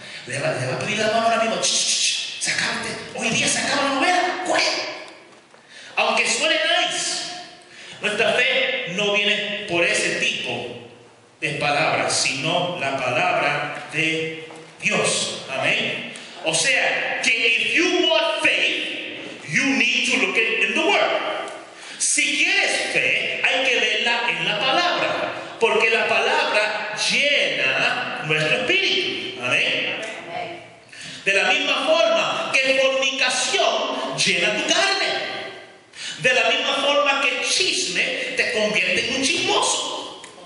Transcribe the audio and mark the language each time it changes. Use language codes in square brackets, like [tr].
[es] Le va a pedir la mano ahora mismo. Shh, sacarte. Hoy día se acaba la novela. ¿Cuál? Aunque suene nice, nuestra fe no viene por ese tipo de palabras, sino la palabra de Dios. Amén. O sea, que [en] if you want faith, you need to look it in the word. [es] Si quieres fe, hay que verla en la palabra, porque la palabra llena nuestro espíritu. Amén. De la misma forma que fornicación llena tu carne. De la misma forma que chisme te convierte en un chismoso.